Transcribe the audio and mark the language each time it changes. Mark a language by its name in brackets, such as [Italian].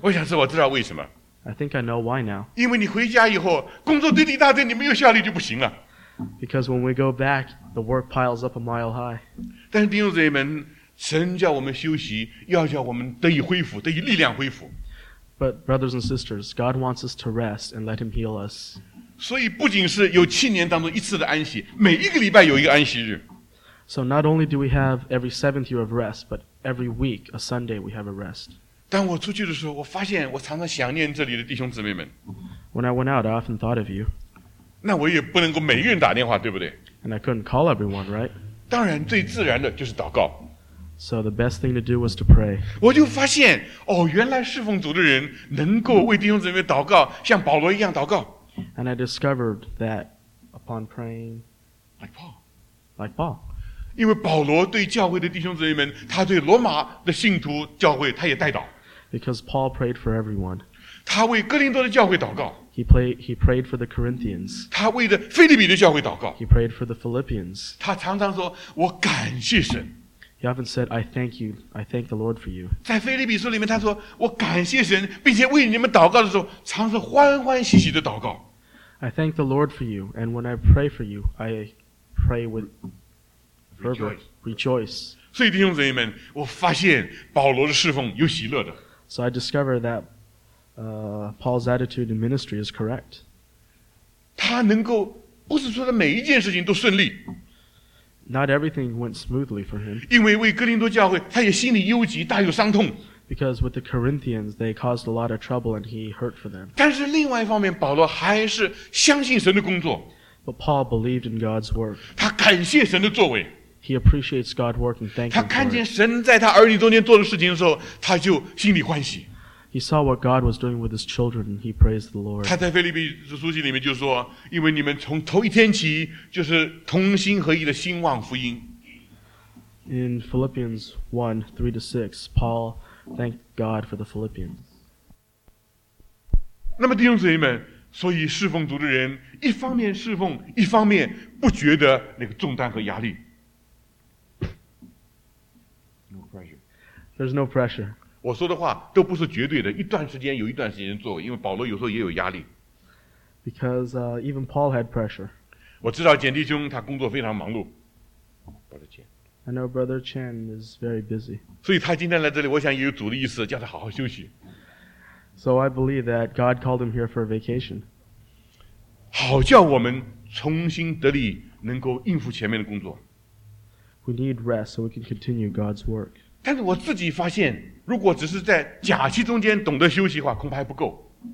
[Chinese] 我想是我知道为什么。 [English] I think I know why now. [Chinese] 因为你回家以后，工作堆一大堆，你没有效率就不行了。 [English] Because when we go back, the work piles up a mile high. [Chinese] 但是弟兄姊妹们，神叫我们休息，要叫我们得以恢复，得以力量恢复。 [English] But brothers and sisters, God wants us to rest and let Him heal us. [Chinese] 所以不仅是有七年当中一次的安息，每一个礼拜有一个安息日。 [English] So not only do we have every seventh year of rest, but every week, a Sunday, we have a rest. [Chinese] 当我出去的时候，我发现我常常想念这里的弟兄姊妹们。 [English] When I went out, I often thought of you. [Chinese] 那我也不能够每一个人打电话，对不对？ [English] And I couldn't call everyone, right? [Chinese] 当然，最自然的就是祷告。 [English] So the best thing to do was to pray. [Chinese] 我就发现，哦，原来侍奉主的人能够为弟兄姊妹祷告，像保罗一样祷告。 [English] And I discovered that upon praying, like Paul. Like Paul. [Chinese] 因为保罗对教会的弟兄姊妹们，他对罗马的信徒教会，他也代祷。 [English] Because Paul prayed for everyone. [Chinese] 他为哥林多的教会祷告。 [English] He prayed for the Corinthians. [Chinese] 他为的腓立比的教会祷告。 [English] He prayed for the Philippians. [Chinese] 他常常说，我感谢神。 [English] He often said, I thank you, I thank the Lord for you. [Chinese] 在腓立比书里面，他说，我感谢神，并且为你们祷告的时候，常是欢欢喜喜的祷告。 [English] I thank the Lord for you, and when I pray for you, I pray with. Rejoice. [Chinese] 所以弟兄姊妹们，我发现保罗的侍奉有喜乐的。 [English] So I discovered that Paul's attitude in ministry is correct. [Chinese] 他能够不是说的每一件事情都顺利。 [English] Not everything went smoothly for him. [Chinese] 因为为哥林多教会，他也心里忧急，大有伤痛。 [English] Because with the Corinthians, they caused a lot of trouble, and he hurt for them. [Chinese] 但是另外一方面，保罗还是相信神的工作。 [English] But Paul believed in God's work. [Chinese] 他感谢神的作为。 [English] He appreciates God's work and thank Him. [Chinese] 他看见神在他儿女中间做的事情的时候，他就心里欢喜。 [English] He saw what God was doing with His children, and He praised the Lord. [Chinese] 他在腓立比书信里面就说，因为你们从头一天起就是同心合意的兴旺福音。 [English] In Philippians 1:3-6, Paul thanked God for the Philippians. [Chinese] 那么弟兄姊妹们，所以侍奉主的人，一方面侍奉，一方面不觉得那个重担和压力。 [English] There's no pressure. [Chinese] 我说的话都不是绝对的，一段时间有一段时间做，因为保罗有时候也有压力。 [English] Because even Paul had pressure. [Chinese] 我知道简弟兄他工作非常忙碌。 [English] Brother Chen. I know Brother Chen is very busy. [Chinese] 所以他今天来这里，我想也有主的意思，叫他好好休息。 [English] So I believe that God called him here for a vacation. [Chinese] 好叫我们重新得力，能够应付前面的工作。 [English] We need rest so we can continue God's work. [Chinese] 但是我自己发现，如果只是在假期中间懂得休息的话，恐怕还不够。